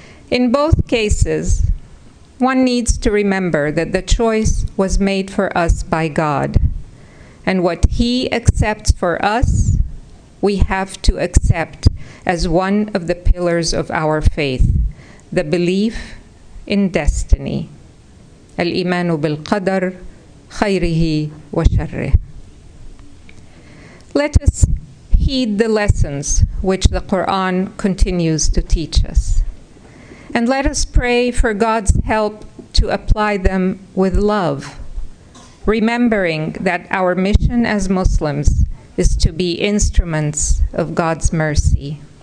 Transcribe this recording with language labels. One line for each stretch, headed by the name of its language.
English: In both cases, one needs to remember that the choice was made for us by God, and what He accepts for us, we have to accept as one of the pillars of our faith, the belief in destiny.
Arabic: الإيمانُ بالقدر خيره وشره.
English: Let us heed the lessons which the Quran continues to teach us. And let us pray for God's help to apply them with love, remembering that our mission as Muslims is to be instruments of God's mercy.